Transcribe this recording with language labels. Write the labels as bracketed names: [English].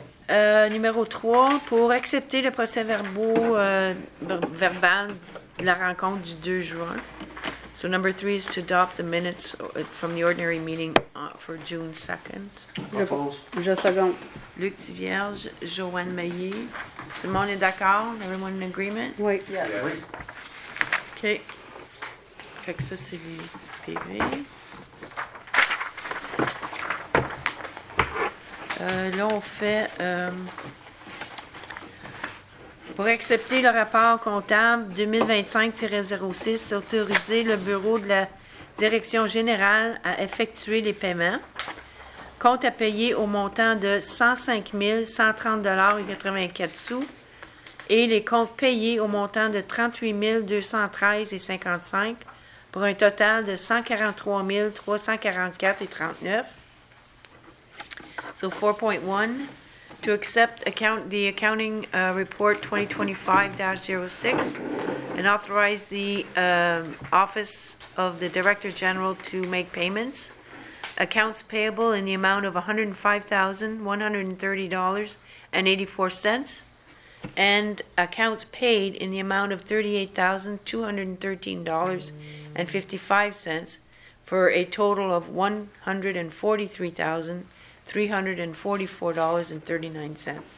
[French] Numéro 3, pour accepter le procès-verbal de la rencontre du 2 juin. [English] So number 3 is to adopt the minutes from the ordinary meeting for June 2nd. [French] Je seconde. Luc Thivierge, Joanne Maillé. Tout le monde est d'accord? [English] Everyone in agreement? [French] Oui. [English] Yes. Yes. [French] OK. Fait que ça, c'est le PV. Là, on fait pour accepter le rapport comptable 2025-06, autoriser le bureau de la direction générale à effectuer les paiements. Compte à payer au montant de $105,130.84 et les comptes payés au montant de $38,213.55 pour un total de $143,344.39. [English] So 4.1, to accept the accounting report 2025-06 and authorize the Office of the Director General to make payments. Accounts payable in the amount of $105,130.84 and accounts paid in the amount of $38,213.55 for a total of $143,344.39.